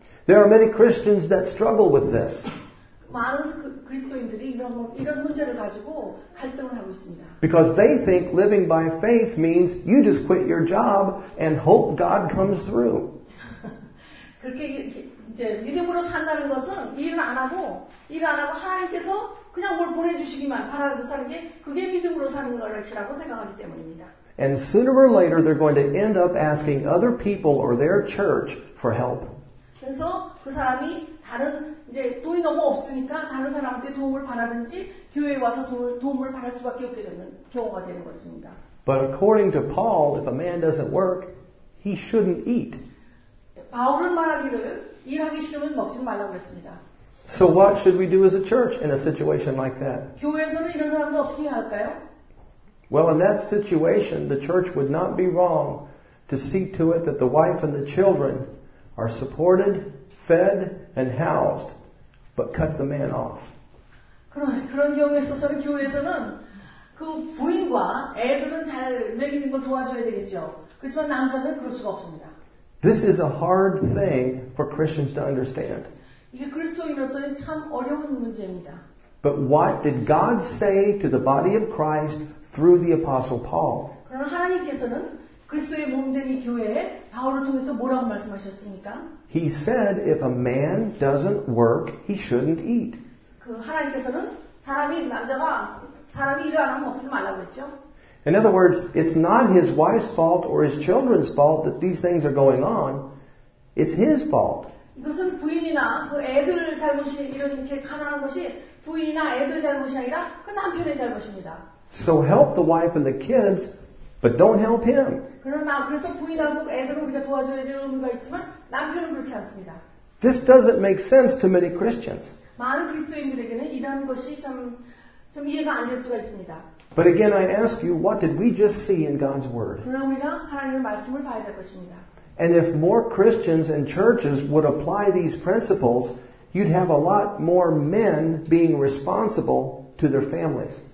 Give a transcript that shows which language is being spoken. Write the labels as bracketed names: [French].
[English] There are many Christians that struggle with this. [Korean] 많은 그리스도인들이 이런 문제를 가지고 갈등을 하고 있습니다. [English] Because they think living by faith means you just quit your job and hope God comes through. [Korean] 그렇게 이제 믿음으로 산다는 것은 일 안 하고 하나님께서 그냥 뭘 보내주시기만 바라고 사는 게 그게 믿음으로 사는 것이라고 생각하기 때문입니다. [English] And sooner or later they're going to end up asking other people or their church for help. [Korean] 그래서 그 사람이 다른 이제 돈이 너무 없으니까 다른 사람한테 도움을 받아든지 교회에 와서 도움을 받을 수밖에 없게 되는 경우가 되는 것입니다. [English] But according to Paul, if a man doesn't work, he shouldn't eat. [Korean] 바울은 말하기를 일하기 싫으면 먹지 말라고 했습니다. [English] So what should we do as a church in a situation like that? [Korean] 교회에서는 이런 사람을 어떻게 해야 할까요? [English] Well, in that situation, the church would not be wrong to see to it that the wife and the children are supported, fed, and housed but cut the man off. [Korean] 그런 경우에 있어서는 교회에서는 그 부인과 애들은 잘 먹이는 걸 도와줘야 되겠죠. 그렇지만 남자는 그럴 수가 없습니다. [English] This is a hard thing for Christians to understand. [Korean] 이게 그리스도인으로서는 참 어려운 문제입니다. [English] But what did God say to the body of Christ through the Apostle Paul? [Korean] 그러나 하나님께서는 그리스도의 몸된 이 교회에 바울을 통해서 뭐라고 말씀하셨습니까? [English] He said, if a man doesn't work, he shouldn't eat. [Korean] 그 하나님께서는 사람이 남자가 사람이 일을 안 하면 먹지 말라고 했죠. [English] In other words, it's not his wife's fault or his children's fault that these things are going on. It's his fault. [Korean] 이것은 부인이나 그 애들 잘못이 이렇게 가난한 것이 부인이나 애들 잘못이 아니라 그 남편의 잘못입니다. [English] So help the wife and the kids, but don't help him. [Korean] 그러나 그래서 부인하고 애들을 우리가 도와줘야 되는 의무가 있지만 남편은 그렇지 않습니다. [English] This doesn't make sense to many Christians. [Korean] 많은 그리스도인들에게는 이런 것이 좀 이해가 안 될 수가 있습니다. [English] But again, I ask you, what did we just see in God's Word? [Korean] 그럼 우리가 하나님의 말씀을 봐야 될 것입니다. [English] And if more Christians and churches would apply these principles, you'd have a lot more men being responsible to their families.